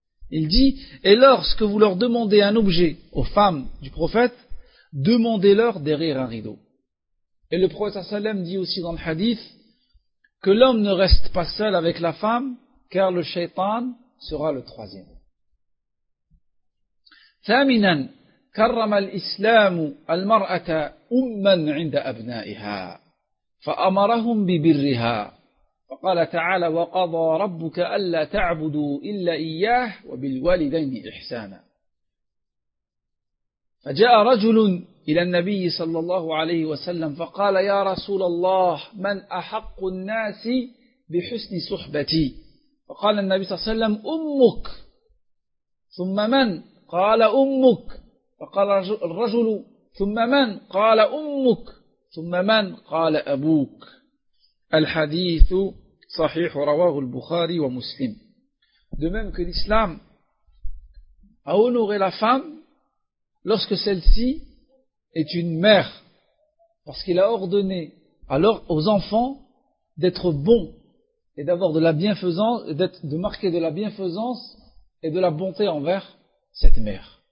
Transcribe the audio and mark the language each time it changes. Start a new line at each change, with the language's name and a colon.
French: Il dit, et lorsque vous leur demandez un objet aux femmes du prophète, demandez-leur derrière un rideau. Et le prophète sallallahu alayhi wa sallam dit aussi dans le hadith, que l'homme ne reste pas seul avec la femme, car le shaitan sera le troisième.
Arabic: Thaminan. كرم الإسلام المرأة أما عند أبنائها فأمرهم ببرها فقال تعالى وقضى ربك ألا تعبدوا إلا إياه وبالوالدين إحسانا فجاء رجل إلى النبي صلى الله عليه وسلم فقال يا رسول الله من أحق الناس بحسن صحبتي فقال النبي صلى الله عليه وسلم أمك ثم من قال أمك فقال الرجل ثم من قال أمك ثم من قال أبوك الحديث صحيح رواه البخاري ومسلم.
French: De même que l'islam a honoré la femme lorsque celle-ci est une mère, parce qu'il a ordonné alors aux enfants d'être bons et d'avoir de la bienfaisance, de marquer de la bienfaisance et de la bonté envers cette mère.